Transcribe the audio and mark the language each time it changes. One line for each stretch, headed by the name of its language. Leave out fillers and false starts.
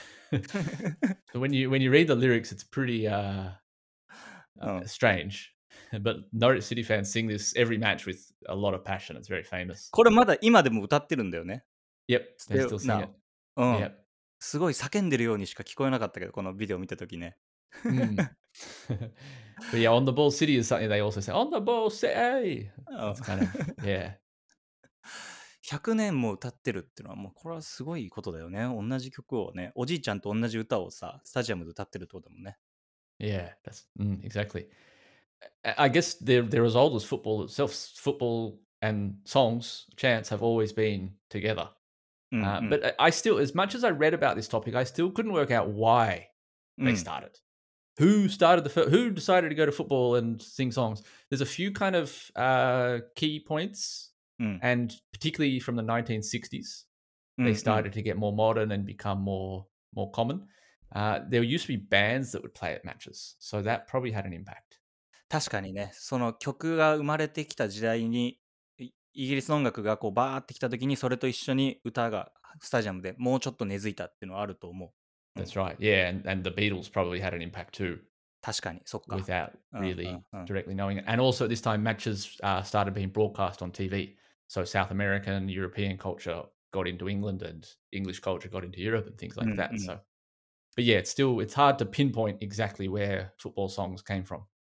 English: So when you read the lyrics, it's pretty strange. But Norwich City fans sing this every match with a lot of passion. It's very famous.
Japanese: これまだ今でも歌ってるんだよね。
English: Yep, they still sing it. うん、yep.
Japanese: すごい叫んでるようにしか聞こえなかったけど、このビデオ見た時ね。 mm.
English: But yeah, on the ball city is something they also say. On the ball city! It's kind of, yeah.
Japanese: 100年も歌ってるっていうのは、もうこれはすごいことだよね。同じ曲をね、おじいちゃんと同じ歌をさ、スタジアムで歌ってるってことだもんね。
English: Yeah, that's, mm, exactly. I guess they're as old as football itself. Football and songs, chants, have always been together. But I still, as much as I read about this topic, I still couldn't work out why they started. Who decided to go to football and sing songs? There's a few kind of key points, and particularly from the 1960s, they started to get more modern and become more common. There used to be bands that would play at matches, so that probably had an impact.
Japanese: 確かにね、その曲が生まれてきた時代に、イギリスの音楽がこうバーってきた時に、それと一緒に歌がスタジアムでもうちょっと根付いたっていうのはあると思う。
English: That's right. Yeah, and the Beatles probably had an impact too.
Japanese: 確かに、そっか。
English: Without really directly knowing it. And also at this time, matches started being broadcast on TV. So South American, European culture got into England and English culture got into Europe and things like that. So, but yeah, it's hard to pinpoint exactly where football songs came from.